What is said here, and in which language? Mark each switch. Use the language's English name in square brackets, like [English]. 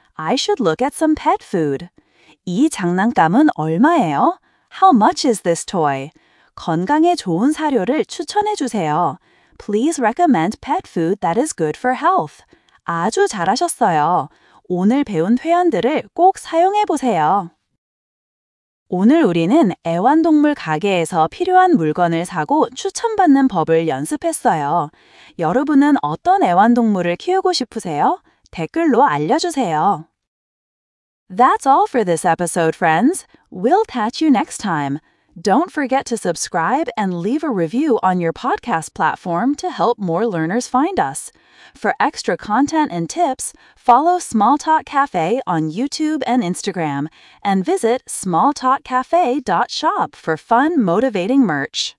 [English] I should look at some pet food. [Korean] 이 장난감은 얼마예요? [English] How much is this toy? [Korean] 건강에 좋은 사료를 추천해 주세요. [English] Please recommend pet food that is good for health. [Korean] 아주 잘하셨어요. 오늘 배운 표현들을 꼭 사용해 보세요. 오늘 우리는 애완동물 가게에서 필요한 물건을 사고 추천받는 법을 연습했어요. 여러분은 어떤 애완동물을 키우고 싶으세요? 댓글로 알려주세요. [English] That's all for this episode, friends. We'll catch you next time. Don't forget to subscribe and leave a review on your podcast platform to help more learners find us. For extra content and tips, follow Small Talk Cafe on YouTube and Instagram, and visit smalltalkcafe.shop for fun, motivating merch.